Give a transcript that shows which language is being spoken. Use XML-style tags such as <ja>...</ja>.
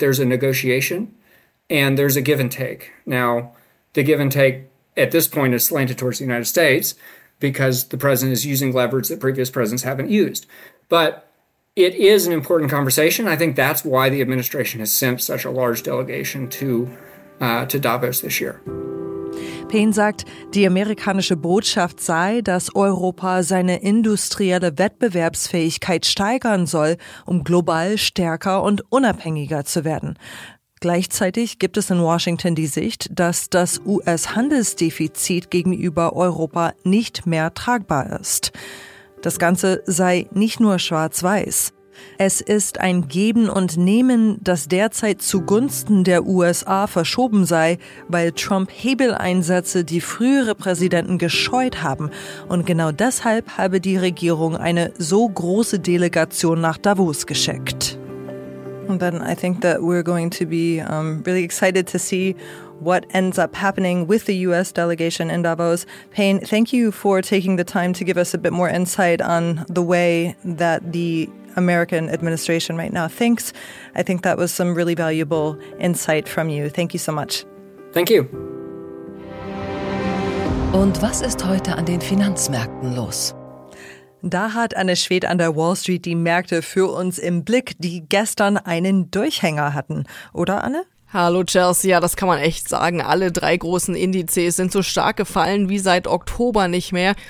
<en>There's a negotiation and there's a give and take. Now, the give and take at this point is slanted towards the United States because the president is using leverage that previous presidents haven't used. But it is an important conversation. I think that's why the administration has sent such a large delegation to Davos this year.</en> <de>Payne sagt, die amerikanische Botschaft sei, dass Europa seine industrielle Wettbewerbsfähigkeit steigern soll, um global stärker und unabhängiger zu werden. Gleichzeitig gibt es in Washington die Sicht, dass das US-Handelsdefizit gegenüber Europa nicht mehr tragbar ist. Das Ganze sei nicht nur schwarz-weiß. Es ist ein Geben und Nehmen, das derzeit zugunsten der USA verschoben sei, weil Trump Hebeleinsätze, die frühere Präsidenten gescheut haben. Und genau deshalb habe die Regierung eine so große Delegation nach Davos geschickt.</de> <en>And then I think that we're going to be really excited to see what ends up happening with the U.S. delegation in Davos. Payne, thank you for taking the time to give us a bit more insight on the way that the American administration right now thinks. I think that was some really valuable insight from you. Thank you so much. Thank you.</en> <de>Und was ist heute an den Finanzmärkten los? Da hat Anne Schwedt an der Wall Street die Märkte für uns im Blick, die gestern einen Durchhänger hatten, oder Anne? Hallo Chelsea, ja, das kann man echt sagen. Alle drei großen Indizes sind so stark gefallen wie seit Oktober nicht mehr.</de>